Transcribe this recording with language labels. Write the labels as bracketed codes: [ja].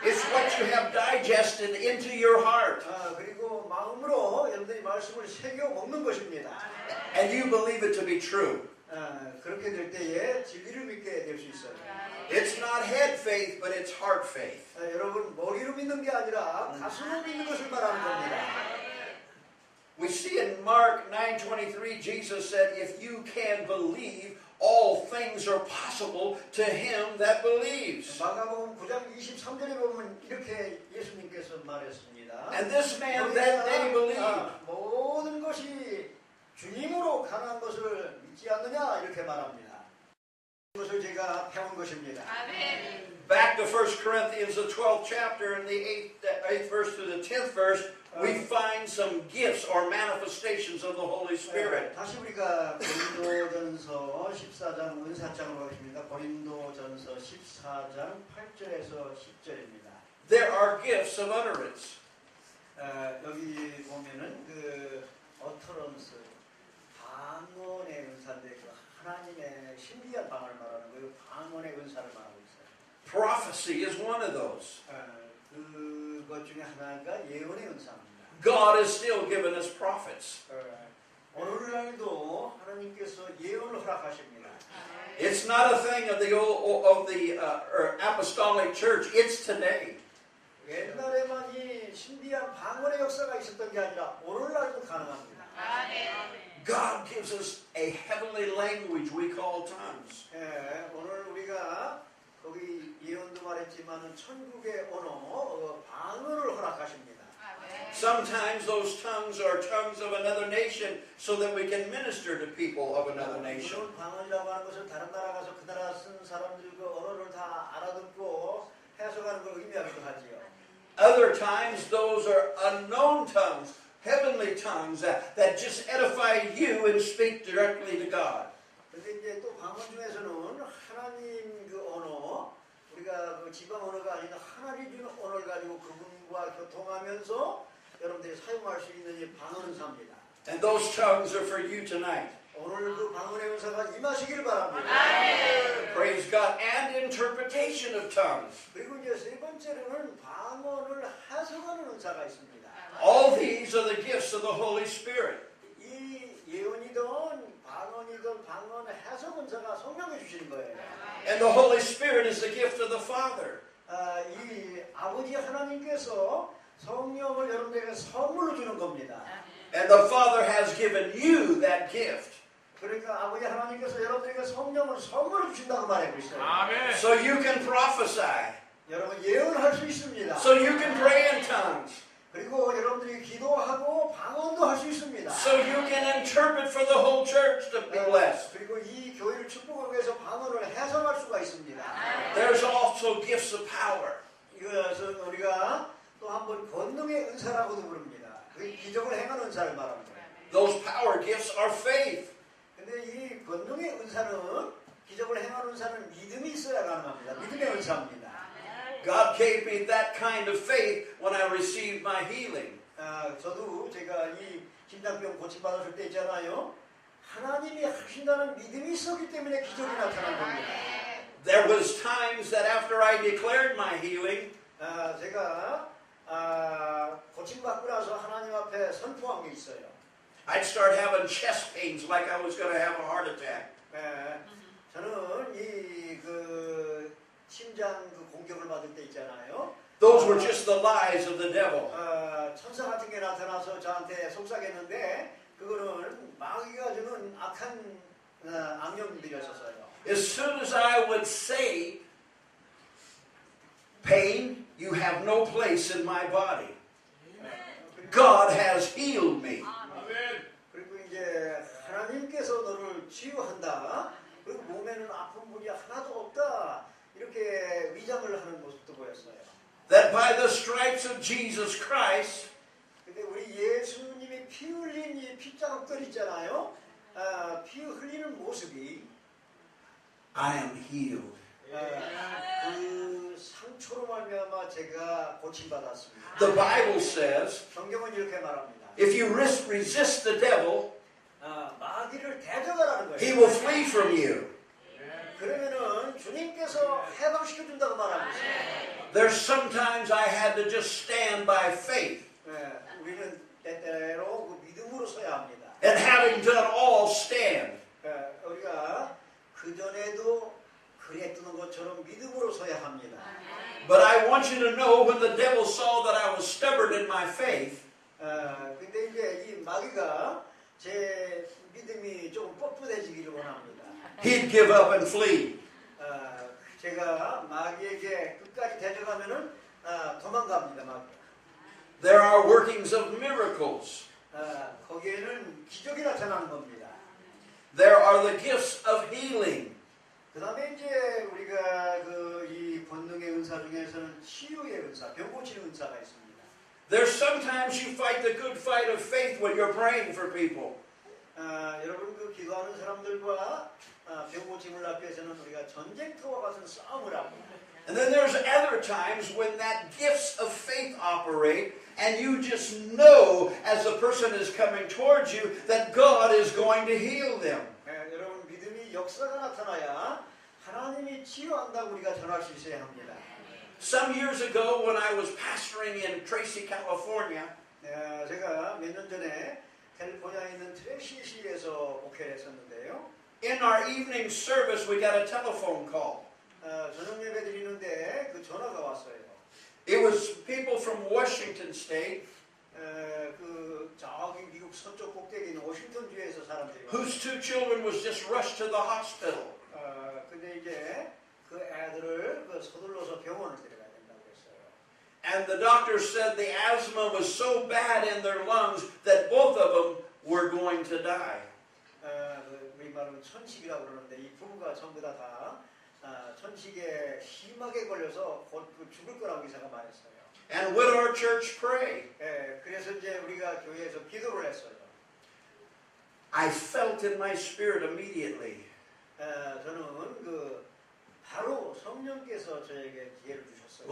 [en] It's what you have digested into your heart. [ko] 그리고 마음으로 여러분들이 말씀을 새겨 먹는 것입니다. [en] And you believe it to be true. [ko] 그렇게 될 때에 진리를 믿게 될 수 있어요. [en] It's not head faith, but it's heart faith. [ko] 여러분 머리로 믿는 게 아니라 가슴으로 믿는 것을 말하는 겁니다. [en] We see in Mark 9:23, Jesus said, "If you can believe, all things are possible to him that believes." [ko] 마가복음 9장 23절에 보면 이렇게 예수님께서 말했습니다. [en] And this man that day believed. [ko] 모든 것이 주님으로 가능한 것을 믿지 않느냐 이렇게 말합니다. 그것을 제가 배운 것입니다. 아멘. [en] Back to 1 Corinthians, the 12th chapter, in the 8th verse to the 10th verse, we find some gifts or manifestations of the Holy Spirit. [ko] 다시 우리가 고린도전서 14장 은사장으로 가겠습니다. 고린도전서 14장 8절에서 10절입니다. [en] There are gifts of utterance. [ko] 여기 보면은 그 utterance, 방언의 은사인데 그 하나님의 신비한 방언을 말하는 거예요. 방언의 은사를 말하고 있어요. [en] Prophecy is one of those. [ko] 그것 중에 하나가 예언의 은사입니다. [en] God is still giving us prophets. [ko] 오늘날도 하나님께서 예언을 허락하십니다. [en] It's not a thing of the old, of the apostolic church. It's today. [ko] 옛날에만이 신비한 방언의 역사가 있었던 게 아니라 오늘날도 가능합니다. [en] God gives us a heavenly language we call tongues. [ko] 오늘 우리가 거기 예언도 말했지만 천국의 언어 방언을 허락하십니다. [en] Sometimes those tongues are tongues of another nation so that we can minister to people of another nation. [ko] 방언이라고 하는 것은 다른 나라 가서 그 나라 쓴 사람들 그 언어를 다 알아듣고 해석하는 걸 의미하기도 하지요. [en] Other times those are unknown tongues, heavenly tongues that just edify you and speak directly to God. [ko] 근데 이제 또 방언 중에서는 하나님 그 언어 우리가 그 지방 언어가 아니라 하나님 주는 언어를 가지고 그분과 교통하면서 여러분들이 사용할 수 있는 이 방언 은사입니다. [en] And those tongues are for you tonight. [ko] 오늘 그 방언의 은사가 임하시길 바랍니다. [en] Praise God and interpretation of tongues. [ko] 그리고 이제 세 번째로는 방언을 해석하는 은사가 있습니다. [en] All these are the gifts of the Holy Spirit. [ko] 이 예언이든 방언이든 방언 해석 은사가 성령이 주시는 거예요. [en] And the Holy Spirit is the gift of the Father. [ko] 이 아버지 하나님께서 성령을 여러분에게 선물로 주는 겁니다. [en] And the Father has given you that gift. [ko] 그러니까 아버지 하나님께서 여러분에게 성령을 선물로 주신다고 말하고 있어요. 아멘. [en] So you can prophesy. [ko] 여러분 예언할 수 있습니다. [en] So you can pray in tongues. [ko] 그리고 여러분들이 기도하고 방언도 할 수 있습니다. [en] So you can interpret for the whole church to be blessed. [ko] 그리고 이 교회를 축복하기 위해서 방언을 해석할 수가 있습니다. [en] There's also gifts of power. [ko] 이것은 우리가 또 한 번 권능의 은사라고도 부릅니다. 그 기적을 행하는 은사를 말합니다. [en] Those power gifts are faith. [ko] 근데 이 권능의 은사는 기적을 행하는 은사는 믿음이 있어야 가능합니다. 믿음의 은사입니다. [en] God gave me that kind of faith when I received my healing. [ko] 저도 제가 이 심장병 고침 받았을 때 있잖아요. 하나님이 하신다는 믿음이 있었기 때문에 기적이 나타난 겁니다. [en] There was times that after I declared my healing, [ko] 제가 고침 받고 나서 하나님 앞에 선포한 게 있어요. [en] I'd start having chest pains like I was going to have a heart attack. [ko] 저는 이 그 심장 그 공격을 받을 때 있잖아요. [en] Those were just the lies of the devil. [ko] 천사 같은 게 나타나서 저한테 속삭였는데 그거는 마귀가 주는 악한 악령들이었어요. [en] As soon as I would say pain, you have no place in my body. God has healed me. [ko] 그리고 이제 하나님께서 너를 치유한다. 그리고 몸에는 아픈 부위가 하나도 없다. 이렇게 위장을 하는 모습도 보였어요. [en] That by the stripes of Jesus Christ. [ko] 근데 우리 예수님이 피 흘린 이 핏자국들 있잖아요. 피 흘리는 모습이 [en] I am healed. [ko] 그 상처로 말미암아 제가 고침 받았습니다. [en] The Bible says. [ko] 성경은 이렇게 말합니다. [en] If you resist the devil, [ko] 마귀를 대적하라는 거예요. [en] He will flee from you. [ko] 그러면은 주님께서 해방시켜 준다고 말하고 있어요. [en] There sometimes I had to just stand by faith. [ko] 우리는 때때로 그 믿음으로 서야 합니다. [en] And having done all stand. [ko] 우리가 그 전에도 그랬던 것처럼 믿음으로 서야 합니다. [en] But I want you to know when the devil saw that I was stubborn in my faith. [ko] 근데 이제 이 마귀가 제 믿음이 좀 뻣뻣해지기를 원합니다. [en] He'd give up and flee. [ko] 제가 마귀에게 끝까지 대적하면은 도망갑니다, 마귀. [en] There are workings of miracles. [ko] 거기에는 기적이 나타나는 겁니다. [en] There are the gifts of healing. [ko] 그다음에 이제 우리가 그 이 권능의 은사 중에서는 치유의 은사, 병 고치는 은사가 있습니다. [en] There's sometimes you fight the good fight of faith when you're praying for people. [ko] 여러분 그 기도하는 사람들과 병 고침을 앞에서는 우리가 전쟁터와 같은 싸움을 하고. [en] And then there's other times when that gifts of faith operate, and you just know as the person is coming towards you that God is going to heal them. [ko] 여러분 믿음이 역사가 나타나야 하나님이 치유한다고 우리가 전할 수 있어야 합니다. [en] Some years ago, when I was pastoring in Tracy, California, [ko] 제가 몇 년 전에 캘리포니아에 있는 트레시시에서 목회를 했었는데요. [en] In our evening service, we got a telephone call. [ko] 저녁 예배 드리는데 그 전화가 왔어요. [en] It was people from Washington State. [ko] 그 저기 미국 서쪽 꼭대기 있는 워싱턴주에서 사람들. [en] Whose two children was just rushed to the hospital. [ko] 근데 이제 그 애들을 그 서둘러서 병원을 데려가야 된다고 했어요. [en] And the doctor said the asthma was so bad in their lungs that both of them were going to die. [ko] 우리 말은 천식이라고 그러는데 이 부부가 전부 다 천식에 심하게 걸려서 곧 죽을 거라고 의사가 말했어요. [en] And would our church pray? [ko] 그래서 이제 우리가 교회에서 기도를 했어요. [en] I felt in my spirit immediately. [ko] 저는 그 바로 성령께서 저에게 기회를 주셨어요.